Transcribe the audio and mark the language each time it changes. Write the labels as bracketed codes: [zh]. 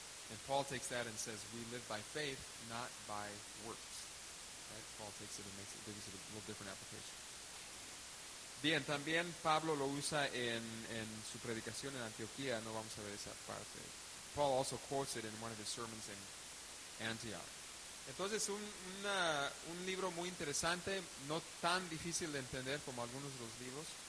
[en] And Paul takes that and says, we live by faith, not by works. Right? Paul takes it and makes it, gives it a little different application. [es] Bien, también Pablo lo usa en su predicación en Antioquía. No vamos a ver esa parte. [en] Paul also quotes it in one of his sermons in Antioch. [es] Entonces, un libro muy interesante, no tan difícil de entender como algunos de los libros.